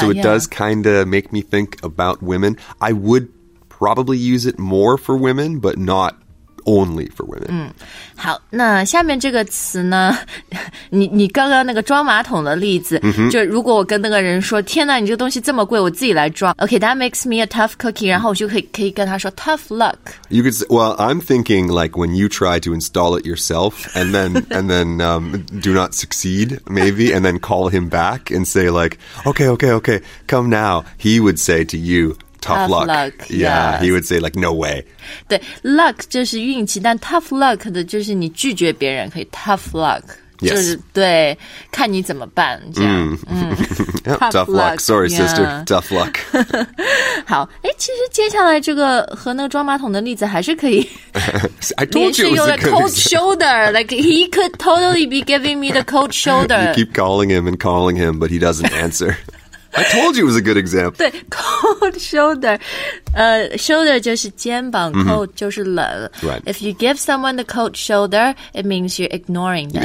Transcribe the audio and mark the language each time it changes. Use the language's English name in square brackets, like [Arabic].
[English] so it does kind of make me think about women. I would...probably use it more for women, but not only for women. [Chinese] 好，那下面这个词呢，你刚刚那个装马桶的例子，就如果我跟那个人说，天哪，你这个东西这么贵，我自己来装。 [English] Okay, that makes me a tough cookie. [Chinese] 然后我就可以跟他说 [English] tough luck. You could say, well, I'm thinking like when you try to install it yourself and then do not succeed, maybe, and then call him back and say like, okay, come now. He would say to you,Tough luck. Yeah, he would say like, no way. [Chinese] 对 ,luck 就是运气，但 tough luck 的就是你拒绝别人可以 tough luck. [English] Yes. [Chinese] 就是对看你怎么办这样。 [English] Mm. tough luck. Sorry, sister. Tough luck. [Chinese] 好诶其实接下来这个和那个装马桶的例子还是可以。 [English] I told you it was a cold shoulder. Like, he could totally be giving me the cold shoulder. You keep calling him and calling him, but he doesn't answer. I told you it was a good example. [Chinese] 对 cold shoulder. Shoulder 就是肩膀 cold 就是冷 [English] Right. If you give someone the cold shoulder, it means you're ignoring them.